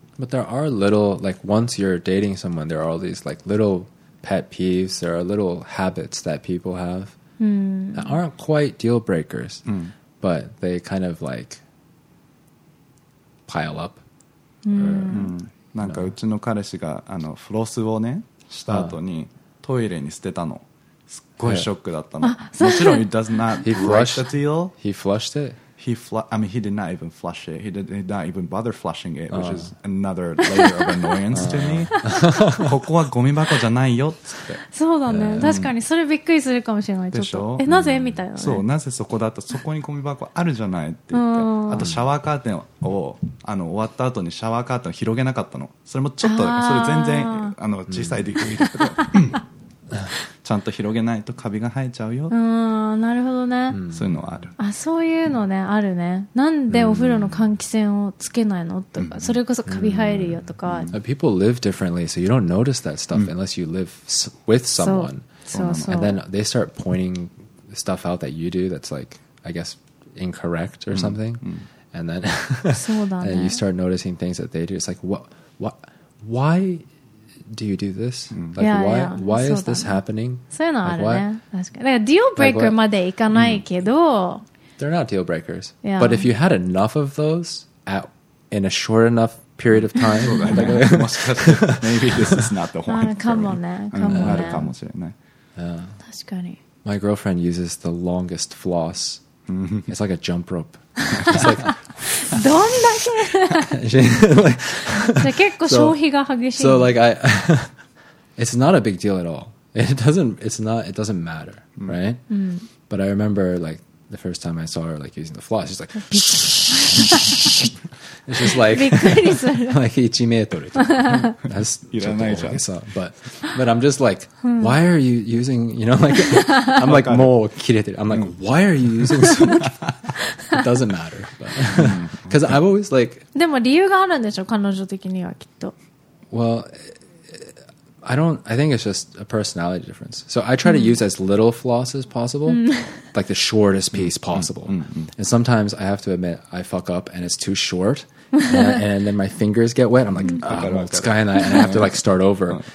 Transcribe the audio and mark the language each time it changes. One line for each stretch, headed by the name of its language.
English: But there are little, like once you're dating someone, there are all these like little pet peeves. There are little habits that people have that aren't quite deal breakers, but they kind of like pile up.
Japanese: なんかうちの彼氏があのフロスをねした後にトイレに捨てたの。すっごいショックだったの。もちろん
English: it does not break the deal. He flushed it. He did not even flush it. He did not even bother flushing it, which is another layer of annoyance to me.
Japanese: ここはゴミ箱じゃないよっつって。そうだね。確かにそれびっくりするかもしれない。でしょ？ちょっと。え、なぜ？みたいな、ね。そう、なぜそこだった？そこにゴミ箱あるじゃないって言って。あとシャワーカーテンをあの終わった後にシャワーカーテンを広げなかったの。それもちょっと、それ全然あの小さいできるけど。ちゃんと広げないとカビが生えちゃうよ。なるほどね、そういうのはある。あ、そういうのね、あるね。なんでお風呂の換気扇をつけないのとか、それこそカビ生えるよとか。
English: People live differently, so you don't notice that stuff unless you live with someone.
Japanese: そう。
English: And then they start pointing stuff out that you do that's like, I guess, incorrect or something. And then
Japanese: そうだね。
English: And you start noticing things that they do. It's like, why? Do you do this? Like, yeah, why is this happening?
Japanese: そういうのあるね。確かに。だから、deal breaker までいかないけど。
English: They're not deal breakers. Yeah. But if you had enough of those in a short enough period of time, maybe this is not the one.
Japanese: かもね。あるかもしれない。確かに。
English: My girlfriend uses the longest floss. It's like a jump rope. It's like...
Japanese: どんだけ。じゃ結構消費が激しい。
English: So like I, it's not a big deal at all. It doesn't matter, right? But I remember like the first time I saw her like using the floss, she's like, it's just like, like 1 meter. That's what I saw. But I'm just like, why are you using, you know, like, I'm like, more
Japanese: kireteru.
English: I'm like, why are you using so much? It doesn't matter. Because I've always like.
Japanese: Demo, 理由があるんでしょ、彼女的にはきっと。
English: Well, I think it's just a personality difference. So I try to use as little floss as possible, like the shortest piece possible. And sometimes I have to admit I fuck up and it's too short and then my fingers get wet. I'm like, and I have to like start over.